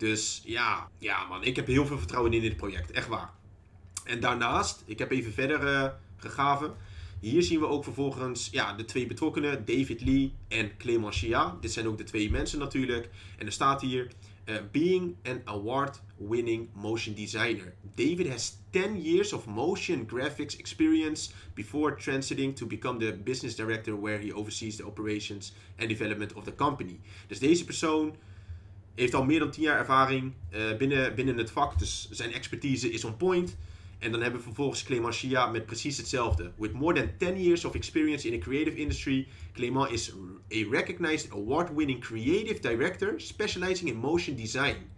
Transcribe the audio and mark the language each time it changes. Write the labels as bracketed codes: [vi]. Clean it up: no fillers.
[nl] Dus ja, man. Ik heb heel veel vertrouwen in dit project. Echt waar. En daarnaast, ik heb even verder gegraven. Hier zien we ook vervolgens de twee betrokkenen. David Lee en Clément Chia. Dit zijn ook de twee mensen natuurlijk. En er staat hier [en] being an award-winning motion designer. David has 10 years of motion graphics experience before transiting to become the business director where he oversees the operations and development of the company. [nl] Dus deze persoon heeft al meer dan 10 jaar ervaring binnen het vak. Dus zijn expertise is on point. En dan hebben we vervolgens Clément Chia met precies hetzelfde. [en] With more than 10 years of experience in the creative industry, Clément is a recognized award-winning creative director specializing in motion design.